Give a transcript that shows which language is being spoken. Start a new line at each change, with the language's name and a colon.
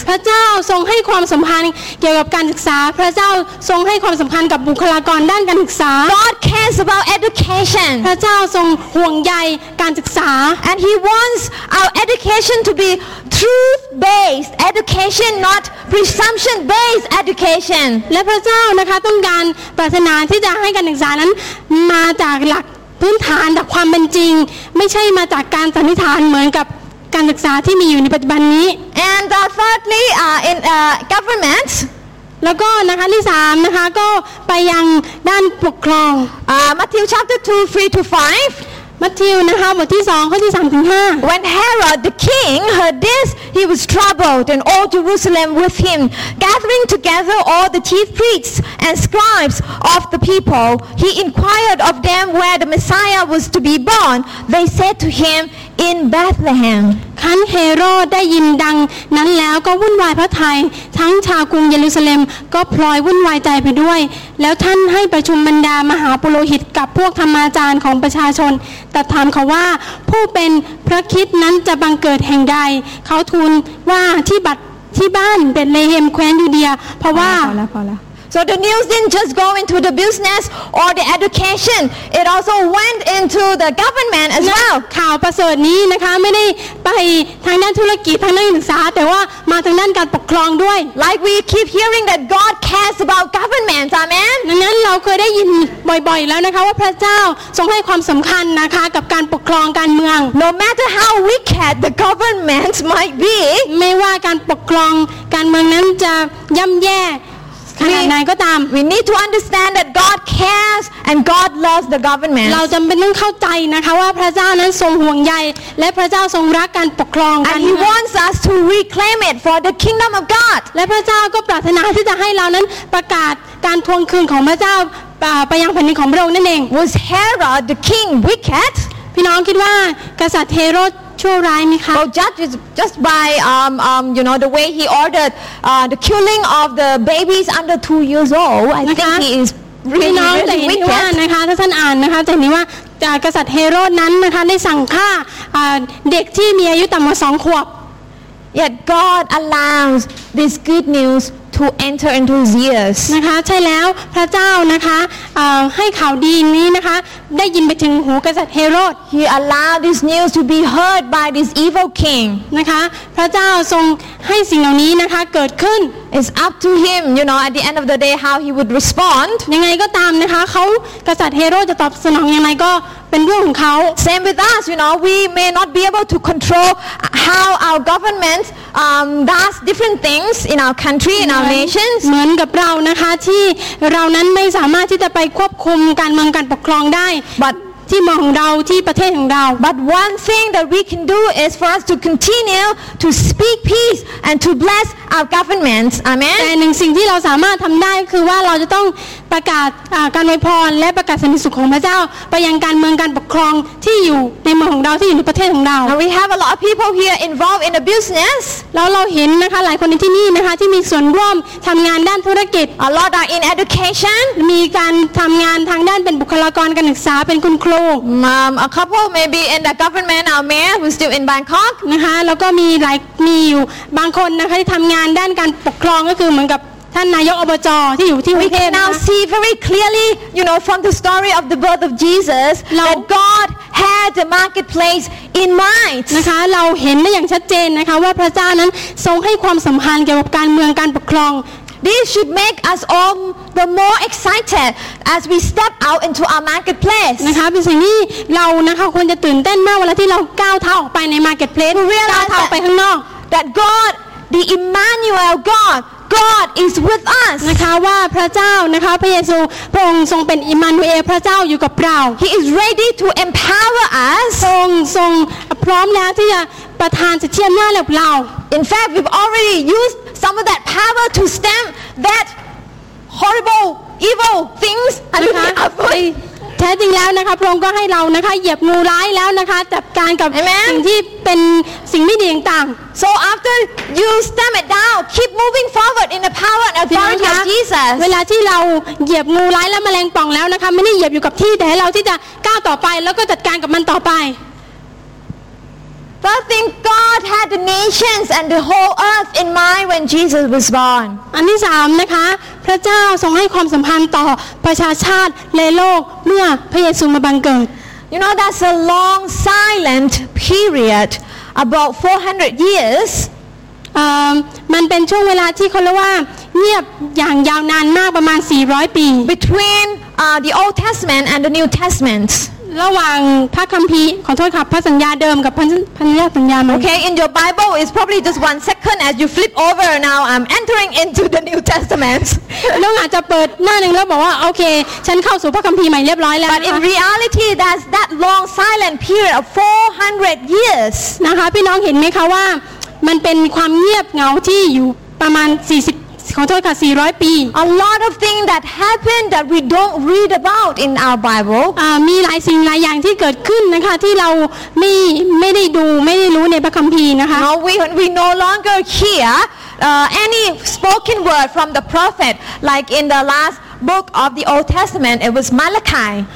Thai: พระเจ้าทรงให้ความสำคัญเกี่ยวกับการศึกษาพระเจ้าทรงให้ความสำคัญกับบุคลากรด้านการศึกษา
English: God cares about education.
Thai: พระเจ้าทรงห่วงใยการศึกษา
English: And he wants our education to be truth based education, not presumption based education.
Thai: และพระเจ้านะคะต้องการปรารถนาที่จะให้การศึกษานั้นมาจากหลักพื้นฐานจากความเป็นจริงไม่ใช่มาจากการสันนิษฐานเหมือนกับการศึกษาที่มีอยู่ในปัจจุบันนี้
English: and thirdly in government
Thai: แล้วก็นะคะที่3นะคะก็ไปยังด้านปกครอง
English: Matthew chapter 2 3 to 5
Thai: Matthew นะคะบทที่2ข้อที่3ถึง5
English: when Herod the king heard this he was troubled and all Jerusalem with him gathering together all the chief priestsAnd scribes of the people, he inquired of them where the Messiah was to be born. They said to him, "In Bethlehem."
Thai: ขันเฮโรดได้ยินดังนั้นแล้วก็วุ่นวายพระทัยทั้งชาวกรุงเยรูซาเล็มก็พลอยวุ่นวายใจไปด้วยแล้วท่านให้ประชุมบรรดามหาปุโรหิตกับพวกธรรมาจารย์ของประชาชนตรัสถามเขาว่าผู้เป็นพระคิดนั้นจะบังเกิดแห่งใดเขาทูลว่าที่บ้านเบธเลเฮมแคว้นยูเดียเพราะว่า
English: So the news didn't just go into the business or the education. It also went into the government as well.
Thai: ข่าวประเสริฐนี้นะคะไม่ได้ไปทางด้านธุรกิจทางด้านศึกษาแต่ว่ามาทางด้านการปกครองด้วย
English: Like we keep hearing that God cares about government, amen?
Thai: นั้นเราเคยได้ยินบ่อยๆแล้วนะคะว่าพระเจ้าทรงให้ความสำคัญนะคะกับการปกครองการเมือง
English: No matter how wicked the government might be,
Thai: ไม่ว่าการปกครองการเมืองนั้นจะย่ำแย่
English: We need to understand that God cares and God loves the government.
Thai: เราจำเป็นต้องเข้าใจนะคะว่าพระเจ้านั้นทรงห่วงใยและพระเจ้าทรงรักการปกครองกัน
English: And He wants us to reclaim it for the kingdom of God.
Thai: และพระเจ้าก็ปรารถนาที่จะให้เรานั้นประกาศการทวงคืนของพระเจ้าไปยังแผ่นดินของพระองค์นั่นเอง
English: Was Herod the king wicked?
Thai: พี่น้องคิดว่ากษัตริย์เฮโรดชั่วร้ายมั้ยคะ
English: Oh just by you know the way he ordered the killing of the babies under 2 years old I think he is really wicked
Thai: นะคะถ้าท่านอ่านนะคะจะเห็นว่ากษัตริย์เฮโรดนั้นนะคะได้สั่งฆ่าเด็กที่มีอายุต่ำกว่า2ขวบ
English: Yet God allows this good newsTo enter into his ears.
Thai: นะคะใช่แล้วพระเจ้านะคะให้ข่าวดีนี้นะคะได้ยินไปถึงหูกษัตริย์เฮโรด
English: He allowed this news to be heard by this evil king.
Thai: นะคะพระเจ้าทรงให้สิ่งเหล่านี้นะคะเกิดขึ้น
English: It's up to him, you know, at the end of the day, how he would respond.
Thai: ยังไงก็ตามนะคะเขากษัตริย์เฮโรดจะตอบสนองยังไงก็เป็นเรื่องของเขา
English: Same with us, you know, we may not be able to control how our government does different things in our country, in our nations.
Thai: เหมือนกับเรานะคะที่เรานั้นไม่สามารถที่จะไปควบคุมการเมืองการปกครองได้
English: But
Thai: ที่เมืองเราที่ประเทศของเรา
English: But one thing that we can do is for us to continue to speak peace and to bless our governments. Amen.
Thai: แต่หนึ่งสิ่งที่เราสามารถทำได้คือว่าเราจะต้องประกาศการอวยพรและประกาศสันติสุขของพระเจ้าไปยังการเมืองการปกครองที่อยู่ในเมืองของเราที่อยู่ในประเทศของเรา
English: We have a lot of people here involved in the business.
Thai: แล้วเราเห็นนะคะหลายคนในที่นี่นะคะที่มีส่วนร่วมทำงานด้านธุรกิจ
English: A lot are in education.
Thai: มีการทำงานทางด้านเป็นบุคลากรการศึกษาเป็นคุณครู
English: Mom, a couple maybe in the government, our mayor who's still in Bangkok.
Thai: นะคะแล้วก็มีหลายมีอยู่บางคนนะคะที่ทำงานด้านการปกครองก็คือเหมือนกับท่านนายกอบจที่อยู่ที่
English: We can now see very clearly, you know, from the story of the birth of Jesus, that God had the marketplace in mind.
Thai: นะคะเราเห็นได้อย่างชัดเจนนะคะว่าพระเจ้านั้นทรงให้ความสำคัญเกี่ยวกับการเมืองการปกครอง
English: This should make us all the more excited as we step out into our marketplace.
Thai: นะคะเป็นสิ่งที่เรานะคะควรจะตื่นเต้นมากเวลาที่เราก้าวเท้าออกไปใน marketplace ก้ าวเท้าไปข้างนอก
English: That God, the Emmanuel God, God is with us.
Thai: นะคะว่าพระเจ้านะคะพระเยซูพระองค์ทรงเป็นอิมมานูเอลพระเจ้าอยู่กับเรา
English: He is ready to empower us.
Thai: ทรงพร้อมแล้วที่จะประทานสิทธิอำนาจให้กับเรา
English: In fact, we've already used some of that power to stem that horrible, evil things.
Thai: นะคะแท้จริงแล้วนะคะพระองค์ก็ให้เรานะคะเหยียบงูร้ายแล้วนะคะจัดการกับสิ่งที่เป็น สิ่งไม่ดีต่าง
English: So after you stamp it down keep moving forward in the power and authority of Jesus
Thai: เวลาที่เราเหยียบงูร้ายและแมลงป่องแล้วนะคะไม่ได้เหยียบอยู่กับที่แต่เราที่จะก้าวต่อไปแล้วก็จัดการกับมันต่อไป
English: First thing, God had the nations and the whole earth in mind when Jesus was born.
Thai: อันที่สามนะคะพระเจ้าทรงให้ความสัมพันธ์ต่อประชาชาติในโลกเมื่อพระเยซูมาบังเกิด
English: You know, that's a long silent period, about 400 years.
Thai: มันเป็นช่วงเวลาที่เขาเรียกว่าเงียบอย่างยาวนานมากประมาณ400ปี
English: Between the Old Testament and the New Testament
Thai: ระหว่างพระคัมภีร์ขอโทษครับพระสัญญาเดิมกับพันธสัญญาใหม่
English: Okay in your Bible is probably just 1 second as you flip over now I'm entering into the New Testament
Thai: น้องอาจจะเปิดหน้านึงแล้วบอกว่าโอเคฉันเข้าสู่พระคัมภีร์ใหม่เรียบร้อยแล้ว
English: But in reality that's that long silent period of 400 years
Thai: นะคะพี่น้องเห็นไหมคะว่ามันเป็นความเงียบเงาที่อยู่ประมาณ40ขอโทษค่ะ400ปี
English: A lot of things that happened that we don't read about in our Bible
Thai: มีหลายสิ่งหลายอย่างที่เกิดขึ้นนะคะที่เราไม่ได้ดูไม่ได้รู้ในพระคัมภีร์นะคะ
English: We no longer hear any spoken word from the prophet like in the last book of the Old Testament it was Malachi